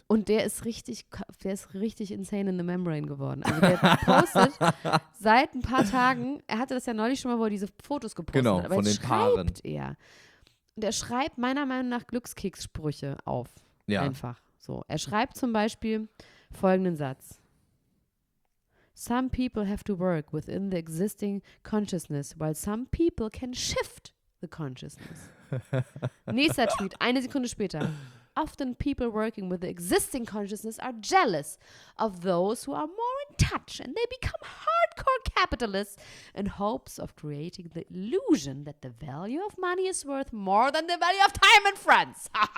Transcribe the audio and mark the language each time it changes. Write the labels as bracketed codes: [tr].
[de] Und der ist richtig [en] insane in the membrane [de] geworden. Also der postet seit ein paar Tagen, er hatte das ja neulich schon mal, wo er diese Fotos gepostet genau, hat. Genau, von den Paaren. Er. Und er schreibt meiner Meinung nach Glückskeks-Sprüche auf. Ja. Einfach. So, er schreibt zum Beispiel folgenden Satz. [en] Some people have to work within the existing consciousness, while some people can shift the consciousness. [de] Nächster Tweet, eine Sekunde später. [en] Often people working with the existing consciousness are jealous of those who are more in touch and they become hardcore capitalists in hopes of creating the illusion that the value of money is worth more than the value of time and friends.